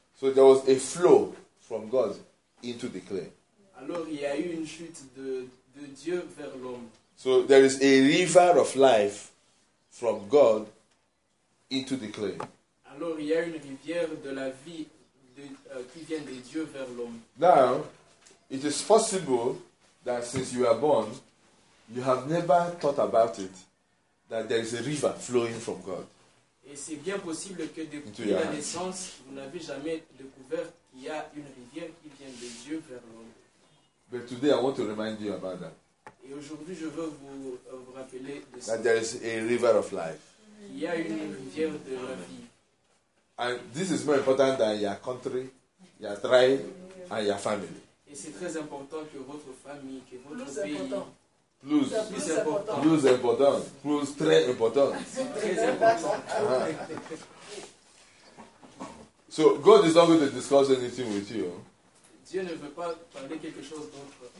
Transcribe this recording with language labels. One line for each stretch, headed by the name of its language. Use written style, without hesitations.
English: So there was a flow from God into the clay.
French: Alors il y a eu une chute de Dieu vers l'homme.
English: So there is a river of life from God into the clay.
French: Alors, il y a une rivière de la vie qui vient de Dieu vers l'homme.
English: Now, it is possible that since you were born, you have never thought about it, that there is a river flowing from God.
French: Et c'est bien possible que depuis la naissance, vous n'avez jamais découvert qu'il y a une rivière qui vient de Dieu vers l'homme.
English: But today, I want to remind you about that.
French: Et aujourd'hui, je veux vous rappeler de
English: that ce there is a river of life.
French: Il y a une rivière de la vie.
English: And this is more important than your country, your tribe, and your family.
French: Et c'est très important que votre famille, que votre plus pays.
English: Important.
French: Plus important. Plus important. Plus très important. Très important. Uh-huh.
English: So God is not going to discuss anything with you.
French: Dieu ne veut pas parler quelque chose d'autre.